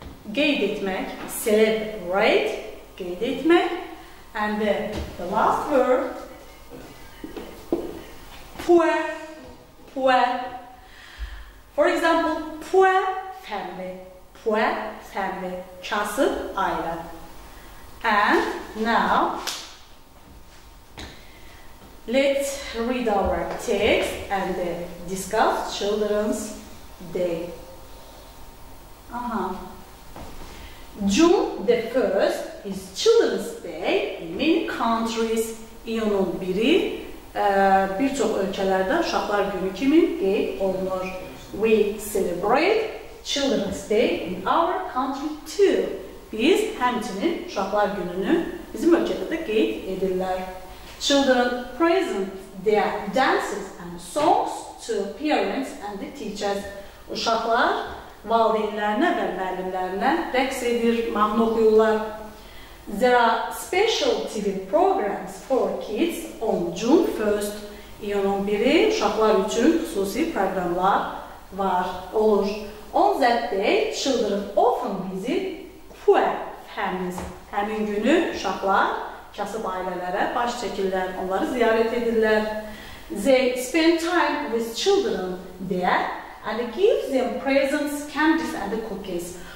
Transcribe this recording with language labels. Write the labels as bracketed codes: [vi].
[az] Qeyd etmək, celebrate, qeyd etmək. [en] And the last word, poor, poor. For example, poor family, poor family, [az] kasıb ailə. [en] And now, let's read our text and discuss Children's Day. June the 1st is Children's Day in many countries. [az] İyunun 1-i birçok ölkələrdə uşaqlar günü kimi qeyd olunur. [en] We celebrate Children's Day in our country too. [az] Biz həmçinin uşaqlar gününü bizim ölkədə də qeyd edirlər. [en] Children present their dances and songs to parents and the teachers. [az] Uşaqlar valideynlərinə və müəllimlərinə rəqs edir, mahnı oxuyurlar. [en] There are special TV programs for kids on June 1st. [az] İyunun 1-i uşaqlar üçün xüsusi proqramlar var, olur. [en] On that day, children often visit poor families. [az] Həmin günü uşaqlar kasıb ailələrə baş çəkirlər, onları ziyarət edirlər. [en] They spend time with children there and give them presents, candies and cookies.